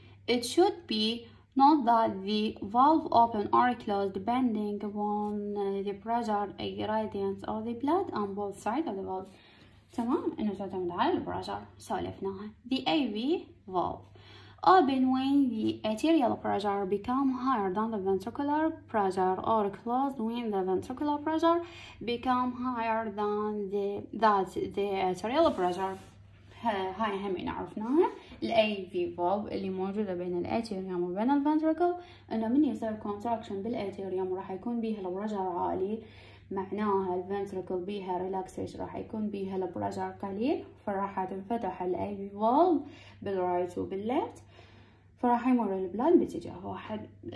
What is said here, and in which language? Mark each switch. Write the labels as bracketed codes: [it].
[en] It should be not that the valve open or closed depending on the pressure gradient of the blood on both sides of the valve. [ar] تمام، انه تعتمد على البرجر سولفناها. [en] The AV valve open when the arterial pressure become higher than the ventricular pressure or closed when the ventricular pressure become higher than the arterial pressure. [ar] هاي هم عرفناها الـ AV valve اللي موجودة بين الـ atrium وبين الـ ventricle، انه من يصير contraction بالـ atrium راح يكون بيها الـ pressure عالي، معناها الـ ventricle بيها relaxation راح يكون بيها الـ pressure قليل، فراح تنفتح الـ AV valve بالـ right وبالـ left فراح يمر الـ blood باتجاه واحد.